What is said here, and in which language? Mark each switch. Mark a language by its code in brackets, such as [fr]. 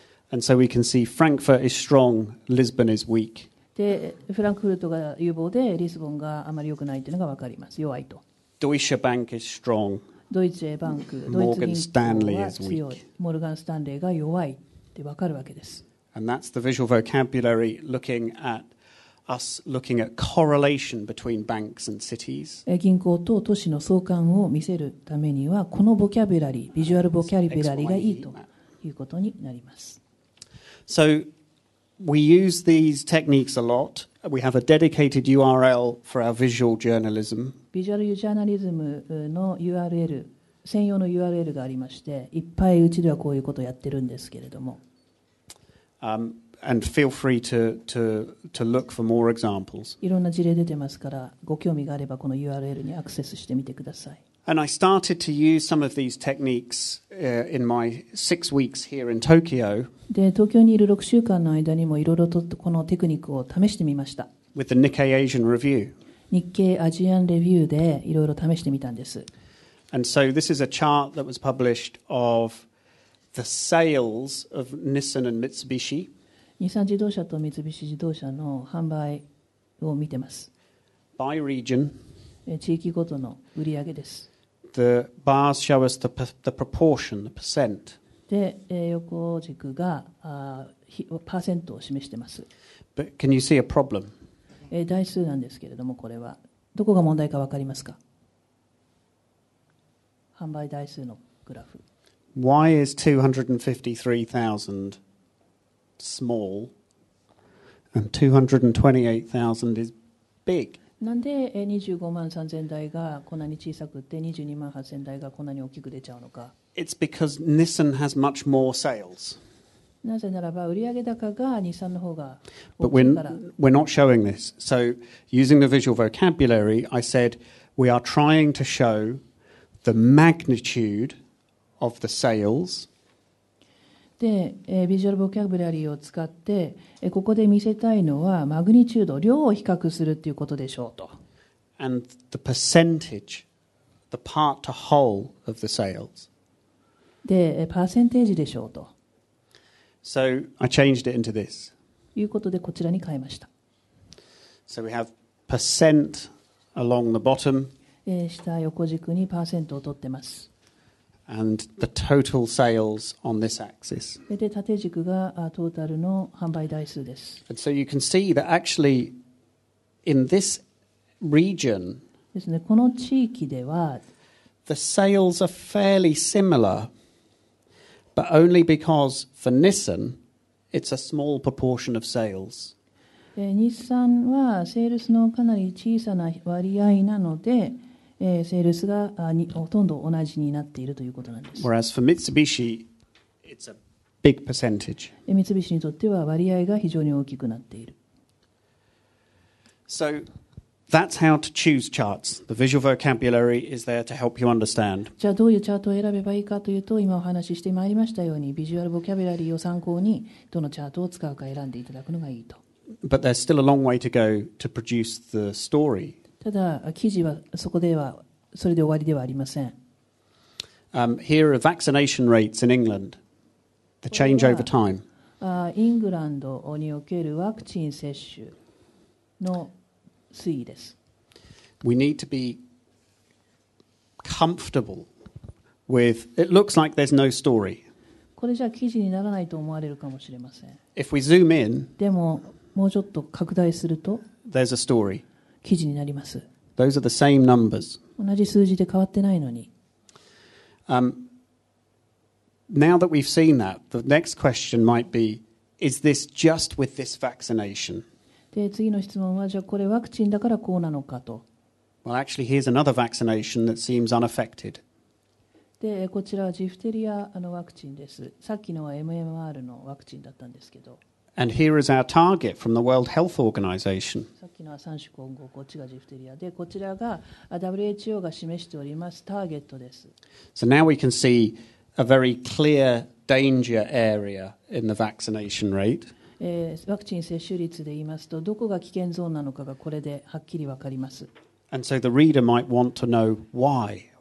[en] And so we can see Frankfurt is strong, Lisbon is weak. [ja] でフランクフルトが有望で、リスボンがあまり良くないというのが分かります。弱いと。 [en] Deutsche Bank is strong. [ja] ドイツエバンク、ドイツ銀行は強い、モルガン・スタンレーが弱いって分かるわけです。 [en] And that's the visual vocabulary looking at us looking at correlation between banks and cities. [ja] 銀行と都市の相関を見せるためにはこのボキャブラリー、ビジュアルボキャブラリーがいいということになります。 [en] So we use these techniques a lot. We have a dedicated URL for our visual journalism. [ja] ビジュアルジャーナリズムの URL、専用の URL がありまして、いっぱいうちではこういうことをやってるんですけれども。 [en] And feel free to look for more examples. [ja] いろんな事例出てますから、ご興味があればこの URL にアクセスしてみてください。 [en] And I started to use some of these techniques in my 6 weeks here in Tokyo. [ja] で、東京にいる6週間の間にもいろいろとこのテクニックを試してみました。 [en] With the Nikkei Asian Review. [ja] 日経アジアンレビューでいろいろ試してみたんです。 [en] And so this is a chart that was published of the sales of Nissan and Mitsubishi. [ja] 日産自動車と三菱自動車の販売を見てます。 [en] By region. [ja] 地域ごとの売り上げです。 [en] The bars show us the proportion, the percent. [ja] で、横軸がパーセントを示しています。 [en] But can you see a problem? [ja] 台数なんですけれども、これはどこが問題か分かりますか？販売台数のグラフ。 [en] Why is 253,000 small and 228,000 is big? [ja] なんで25万3千台がこんなに小さくて22万8千台がこんなに大きく出ちゃうのか。 [en] It's because Nissan has much more sales. [ja] なぜならば売上高が日産の方が大きいから。 [en] But we're not showing this. So using the visual vocabulary, I said we are trying to show the magnitude of the sales. [ja] でビジュアルボキャブラリーを使ってここで見せたいのはマグニチュード量を比較するということでしょうと。 [en] And the percentage, the part to whole of the sales. [ja] でパーセンテージでしょうと。 [en] So I changed it into this. [ja] いうことでこちらに変えました。 [en] So we have percent along the bottom. [ja] 下横軸にパーセントを取ってます。 [en] And the total sales on this axis. [ja] で縦軸がトータルの販売台数です。 [en] And so you can see that actually in this region, [ja] ですね、この地域では [en] the sales are fairly similar, but only because for Nissan, it's a small proportion of sales. [ja] 日産はセールスのかなり小さな割合なのでセールスがほとんど同じになっているということなんです。 [en] Whereas for Mitsubishi, it's a big percentage. [ja] 三菱にとっては割合が非常に大きくなっている。 [en] So that's how to choose charts. The visual vocabulary is there to help you understand. [ja] じゃあどういうチャートを選べばいいかというと、今お話ししてまいりましたように、ビジュアルボキャビュラリーを参考にどのチャートを使うか選んでいただくのがいいと。 [en] But there's still a long way to go to produce the story. [ja] ただ記事はそこではそれで終わりではありません。 [en] Here are vaccination rates in England. The change over time. [ja] イングランドにおけるワクチン接種の推移です。 [en] We need to be comfortable with. It looks like there's no story. [ja] これじゃ記事にならないと思われるかもしれません。 [en] If we zoom in, [ja] でももうちょっと拡大すると、 [en] there's a story. [ja] 記事になります。 [en] Those are the same numbers. [ja] 同じ数字で変わってないのに。 [en] Now that we've seen that, the next question might be, is this just with this vaccination? [ja] で、次の質問は、じゃあこれワクチンだからこうなのかと。 [en] Well, actually, here's another vaccination that seems unaffected. [ja] で、こちらはジフテリアのワクチンです。さっきのは MMR のワクチンだったんですけど。 [en] And here is our target from the World Health Organization. [ja] さっきのは三種混合、こっちがジフテリアで、こちらが WHO が示しておりますターゲットです。 [en] So now we can see a very clear danger area in the vaccination rate. [ja] ワクチン接種率で言いますと、どこが危険ゾーンなのかがこれではっきりわかります。 [en] And so the reader might want to know why.